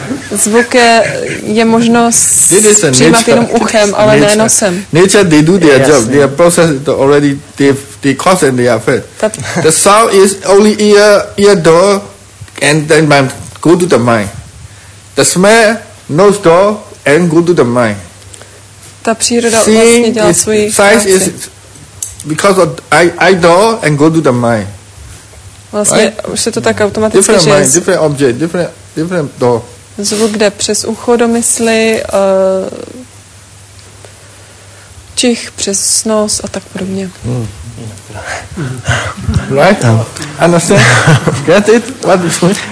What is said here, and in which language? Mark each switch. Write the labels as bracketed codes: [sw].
[cs] Zvuk je možnost přijímat jenom uchem, ale ne nosem. [en] Nature, they do their job. They are processed already. They cause and they are fed. The sound is only ear door, and then mind go to the mind. The smell, nose door, and go to the mind. [cs] Ta příroda vlastně dělá svůj práci. [en] Size is because of eye door and go to the mind. [cs] Vlastně [en] right? [cs] Už se to tak automaticky [en] different mind, different object, different door. [cs] Zvuk jde přes ucho do mysli, čich přes nos a tak podobně. [en] Right? Understand? Get it? What is it?